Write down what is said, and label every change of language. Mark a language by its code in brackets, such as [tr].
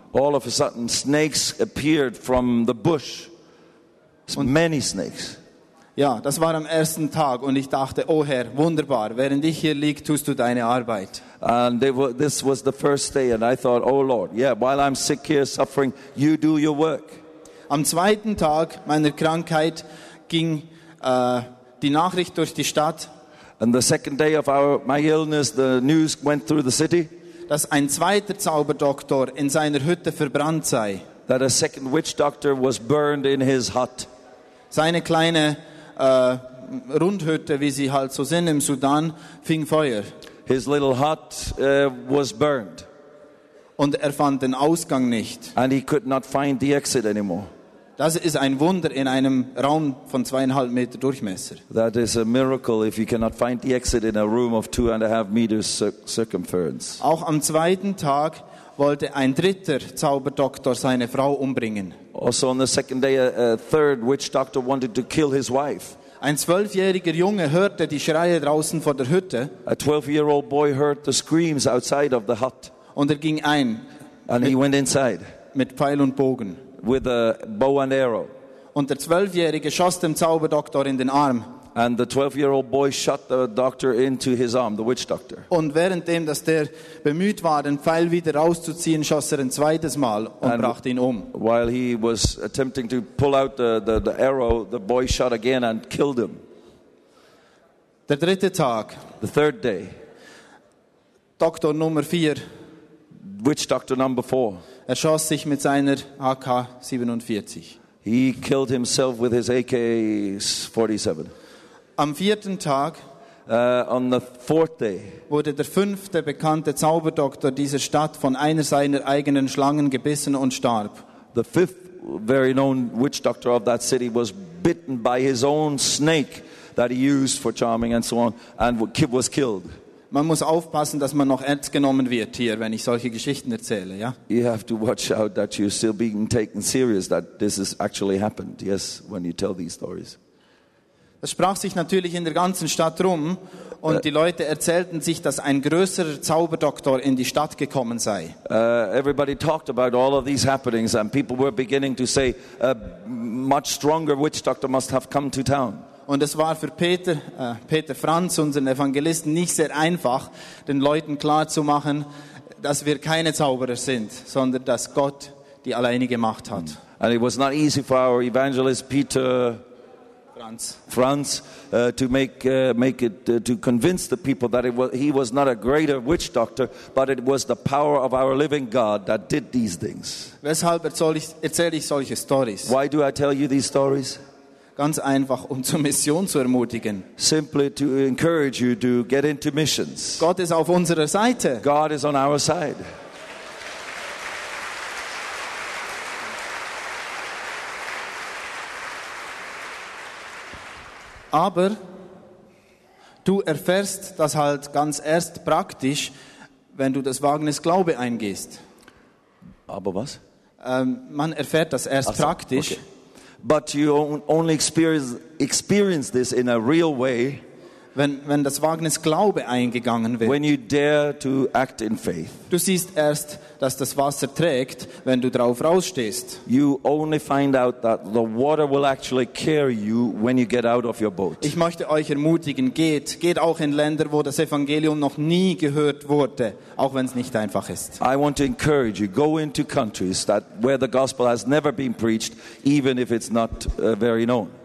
[en] All of a sudden, snakes appeared from the bush. [de] Und [en] many snakes. [de] Ja, das war am ersten Tag und ich dachte, oh Herr, wunderbar, während ich hier liege, tust du deine Arbeit. [en] And this was the first day and I thought, oh Lord, yeah, while I'm sick here suffering, you do your work. [de] Am zweiten Tag meiner Krankheit ging die Nachricht durch die Stadt. [en] And the second day of my illness, the news went through the city. [de] Dass ein zweiter Zauberdoktor in seiner Hütte verbrannt sei. [en] That a second witch doctor was burned in his hut. [de] Seine kleine Rundhütte, wie sie halt so sind im Sudan, fing Feuer. [en] His little hut was burned. [de] Und er fand den Ausgang nicht. [en] And he could not find the exit anymore. [de] Das ist ein Wunder in einem Raum von 2,5 Meter Durchmesser. [en] That is a miracle if you cannot find the exit in a room of 2.5 meters circumference. [de] Auch am zweiten Tag wollte ein dritter Zauberdoktor seine Frau umbringen. [en] Also on the second day, a third witch doctor wanted to kill his wife. [de] Ein 12-jähriger Junge hörte die Schreie draußen vor der Hütte. [en] A 12-year-old boy heard the screams outside of the hut. [de] Und er ging ein. [en] And he went inside. [de] Mit Pfeil und Bogen. [en] With a bow and arrow. [de] Und der 12-jährige schoss dem Zauberdoktor in den Arm. [en] And the 12-year-old boy shot the doctor into his arm, the witch doctor. [de] Und währenddem, dass der bemüht war, den Pfeil wieder rauszuziehen, schoss ein zweites Mal und brachte ihn um. [en] While he was attempting to pull out the arrow, the boy shot again and killed him. [de] Der dritte Tag. [en] The third day. [de] Doktor Nummer 4. [en] Witch doctor number 4. [de] Er schoss sich mit seiner AK-47. [en] He killed himself with his AK-47. [de] Am vierten Tag [en] on the fourth day, [de] wurde der fünfte bekannte Zauberdoktor dieser Stadt von einer seiner eigenen Schlangen gebissen und starb. [en] The fifth very known witch doctor of that city was bitten by his own snake that he used for charming and so on and was killed. [de] Man muss aufpassen, dass man noch ernst genommen wird hier, wenn ich solche Geschichten erzähle, ja? [en] You have to watch out that you're still being taken serious, that this has actually happened, yes, when you tell these stories. [de] Es sprach sich natürlich in der ganzen Stadt rum und die Leute erzählten sich, dass ein größerer Zauberdoktor in die Stadt gekommen sei. [en] Everybody talked about all of these happenings and people were beginning to say a much stronger witch doctor must have come to town. [de] Und es war für Peter Franz, unseren Evangelisten, nicht sehr einfach, den Leuten klarzumachen, dass wir keine Zauberer sind, sondern dass Gott die alleinige Macht hat. [en] And it was not easy for our evangelist Peter Franz to make it to convince the people that he was not a greater witch doctor, but it was the power of our living God that did these things. [de] Weshalb erzähle ich solche Stories? [en] Why do I tell you these stories? [de] Ganz einfach, um zur Mission zu ermutigen. [en] Simply to encourage you to get into missions. [de] Gott ist auf unserer Seite. [en] God is on our side. [de] Aber du erfährst das halt ganz erst praktisch, wenn du das Wagnis Glaube eingehst. Aber was? Man erfährt das erst also, praktisch. Okay. [en] But you only experience this in a real way [de] wenn das Wagnis Glaube eingegangen wird. [en] When you dare to act in faith. [de] Du siehst erst, dass das Wasser trägt, wenn du drauf rausstehst. [en] You only find out that the water will actually carry you when you get out of your boat. [de] Ich möchte euch ermutigen, geht auch in Länder, wo das Evangelium noch nie gehört wurde, auch wenn es nicht einfach ist. [en] I want to encourage you, go into countries that where the gospel has never been preached, even if it's not very known.